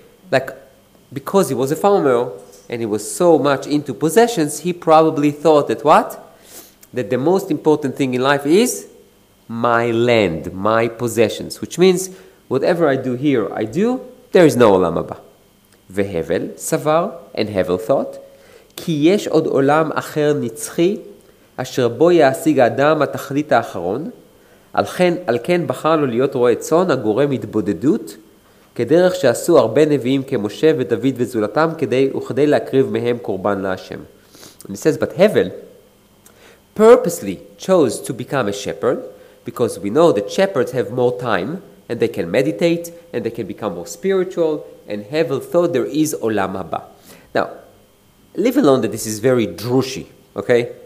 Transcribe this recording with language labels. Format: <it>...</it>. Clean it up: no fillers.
<en>Like, because he was a farmer and he was so much into possessions, he probably thought that what? That the most important thing in life is my land, my possessions. Which means, whatever I do here, I do, there is no Olam Haba.</en> <he>והבל סבר,</he> <en>and הבל thought,</en> <he>כי יש עוד עולם אחר נצחי, אשר בו יעשיג האדם התכלית האחרון, על כן, על כן בחר לו להיות רועה צאן, הגורם התבודדות, כדרך שעשו הרבה נביאים כמשה ודוד וזולתם, וכדי להקריב מהם קורבן להשם.</he> <en>And he says, but הבל purposely chose to become a shepherd, because we know that shepherds have more time, and they can meditate, and they can become more spiritual, and Hevel thought there is Olam Haba. Now, leave alone that this is very drushy, okay?</en>